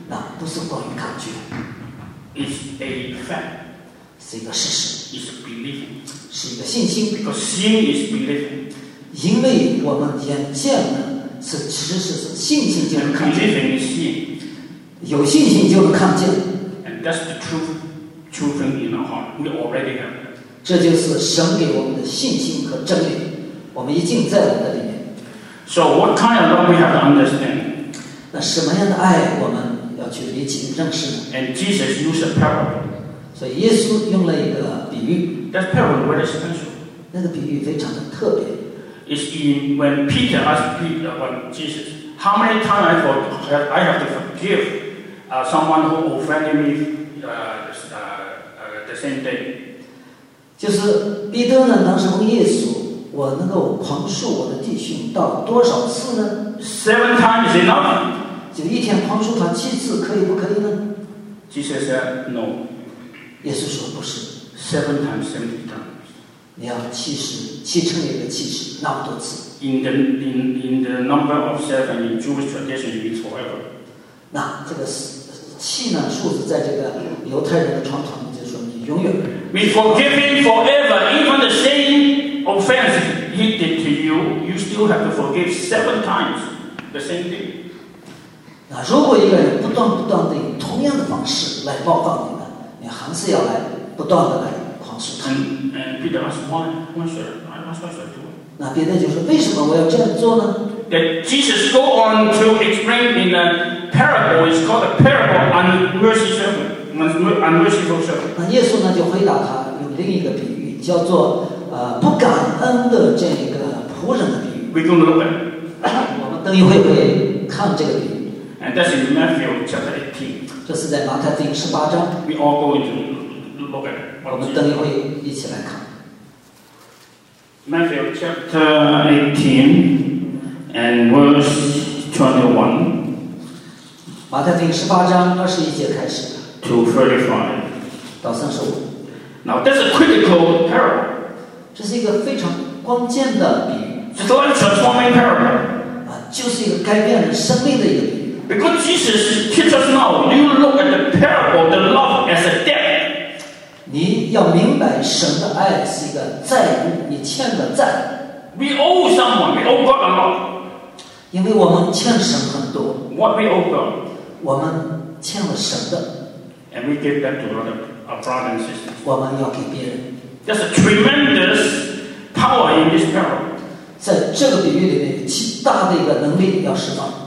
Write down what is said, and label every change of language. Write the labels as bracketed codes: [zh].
[zh] 那不是关于感觉 [en] ，is a fact， [zh] 是一个事实 [en] ，is believing， [zh] 是一个信心 [en] ，because seeing is believing， [zh] 因为我们眼见的是知识，是信心就能看见 [en] ，believing is seeing， [zh] 有信心就能看见 [en] ，and that's the truth in our heart we already have， [zh] 这就是神给我们的信心和真理，我们已经在我们的里面。 [en] So what kind of love we have to understand？ [zh] 那什么样的爱我们？去理解认识。 [en] And Jesus used a parable. [zh] 所以耶稣用了一个比喻。 [en] That parable very special. [zh] 那个比喻非常的特别。 [en] It's in when Peter asked Jesus, "How many times I have to forgive someone who offended me the same day?" [zh] 就是彼得呢，当时问耶稣，我能够宽恕我的弟兄到多少次呢 [en] ？7 times enough. [zh] 就一天宽恕他七次，可以不可以呢 [en] ？Jesus said no. [zh] 耶稣说不是。 [en] 70 times, 70 times. [zh] 你要七乘以70，那么多次。 [en] In the number of seven in Jewish tradition means forever. [zh] 那这个七呢数字，在这个犹太人的传统里就是说你永远。 [en] We forgive him forever, even the same offense he did to you, you still have to forgive 7 times the same thing. [zh] 那如果一个人不断地用同样的方式来报告你们，你还是要来不断地来宽恕他。 [en] And Peter asked why should I do? [zh] 那别人就说为什么我要这样做呢 [en] ？That Jesus go on to explain in a parable. It's called a parable on mercy servant, unmerciful servant. [zh] 那耶稣呢就回答他用另一个比喻，叫做不感恩的这一个仆人的比喻。 [en] We're going to look at. [zh] 我们等一会会看这个比喻。 [en] And that's in Matthew chapter 18. [zh] 这是在马太福音十八章。 [en] We all go into look at. [zh] 我们等一会一起来看。 [en] Matthew chapter 18 and verse 21. [zh] 马太福音十八章二十一节开始。 [en] To 35. [zh] 到三十五。 [en] Now that's a critical parable. [zh] 这是一个非常关键的比喻。 [en] It's a transforming parable. [zh] 就是一个改变人生命的一个比喻。 [en] Because Jesus teaches us now, you look at the parable, the love as a debt. [zh] 你要明白神的爱是一个债务，你欠的债。 [en] We owe someone, we owe God a lot. [zh] 因为我们欠神很多。 [en] What we owe God? [zh] 我们欠了神的。 [en] And we give that to our brothers and sisters. [zh] 我们要给别人。 [en] There's a tremendous power in this parable. [zh] 在这个比喻里面，极大的一个能力要释放。